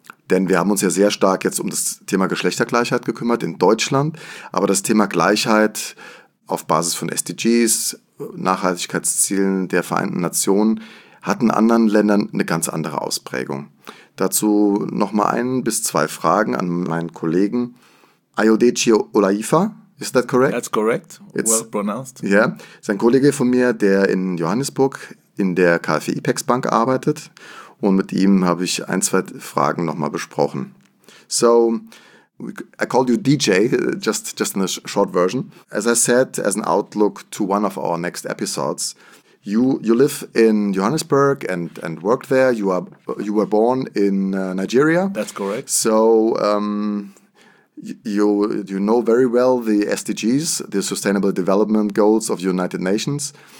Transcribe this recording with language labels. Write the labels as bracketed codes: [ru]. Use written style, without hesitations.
[de] Denn wir haben uns ja sehr stark jetzt um das Thema Geschlechtergleichheit gekümmert in Deutschland. Aber das Thema Gleichheit auf Basis von SDGs, Nachhaltigkeitszielen der Vereinten Nationen, hat in anderen Ländern eine ganz andere Ausprägung. Dazu nochmal ein bis zwei Fragen an meinen Kollegen. [en] Ayodeji Olaifa, is that correct? That's correct. It's, well pronounced. Yeah. [de] Sein Kollege von mir, der in Johannesburg in der KfW IPEX Bank arbeitet. Und mit ihm habe ich ein, zwei Fragen nochmal besprochen. [en] So, I called you DJ, just in a short version. As I said, as an outlook to one of our next episodes, you live in Johannesburg and work there. You were born in Nigeria. That's correct. So, you know very well the SDGs, the Sustainable Development Goals of the United Nations.